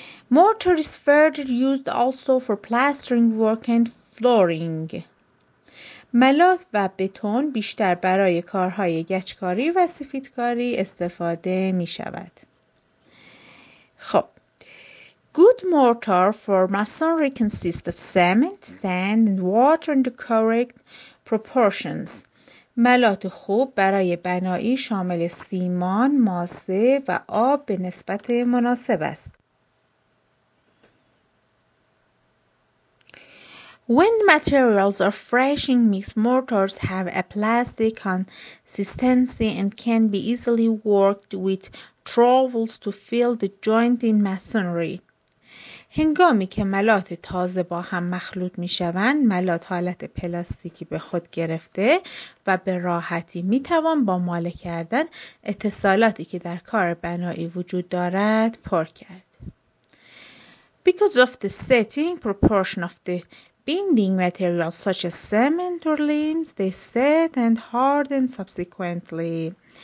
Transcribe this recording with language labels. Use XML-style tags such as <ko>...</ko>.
<en>Mortar is further used also for plastering work and flooring.</en> <fa>ملات و بتون بیشتر برای کارهای گچکاری و سفیدکاری استفاده می شود.</fa> <en>خب good mortar for masonry consists of cement, sand and water in the correct proportions.</en> <fa>ملات خوب برای بنایی شامل سیمان، ماسه و آب به نسبت مناسب است.</fa> <en>When materials are fresh in mixed mortars have a plastic consistency and can be easily worked with trowels to fill the joint in masonry.</en> <fa>هنگامی که ملات تازه با هم مخلوط می شوند، ملات حالت پلاستیکی به خود گرفته و به راحتی می توان با ماله کردن اتصالاتی که در کار بنایی وجود دارد پر کرد.</fa> <en>Because of the setting proportion of the binding materials such as cement or limbs, they set and harden subsequently.</en>